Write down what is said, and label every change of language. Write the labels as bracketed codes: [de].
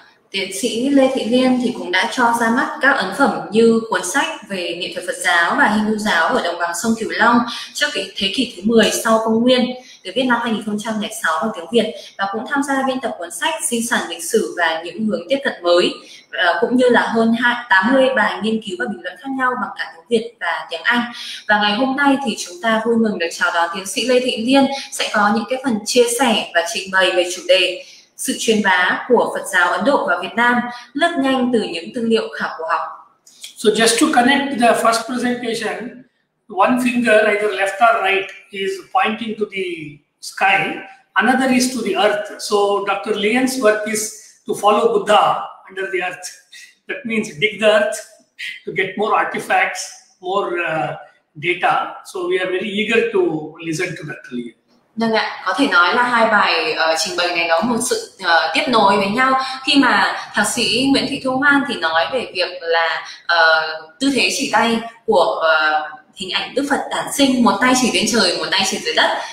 [vi] Tiến sĩ Lê Thị Liên thì cũng đã cho ra mắt các ấn phẩm như cuốn sách về nghệ thuật Phật giáo và Hindu giáo ở đồng bằng sông Cửu Long trước cái thế kỷ thứ 10 sau Công Nguyên, được viết năm 2006 bằng tiếng Việt, và cũng tham gia biên tập cuốn sách Di sản lịch sử và những hướng tiếp cận mới, cũng như là hơn 80 bài nghiên cứu và bình luận khác nhau bằng cả tiếng Việt và tiếng Anh. Và ngày hôm nay thì chúng ta vui mừng được chào đón tiến sĩ Lê Thị Liên sẽ có những cái phần chia sẻ và trình bày về chủ đề Sự truyền bá của Phật giáo Ấn Độ và Việt Nam, lướt nhanh từ những tư liệu khảo cổ học. [en] So just to connect the first presentation, one finger either left or right is pointing to the sky, another is to the earth. So Dr. Lien's work is to follow Buddha under the earth. That means dig the earth to get more artifacts, more data, so we are very eager to listen to that clear. [vi] Vâng ạ, có thể nói là hai bài trình bày này nó một sự tiếp nối với nhau, khi mà thạc sĩ Nguyễn Thị Thu Hoan thì nói về việc là tư thế chỉ tay của hình ảnh Đức Phật đản sinh, một tay chỉ lên trời, một tay chỉ dưới đất.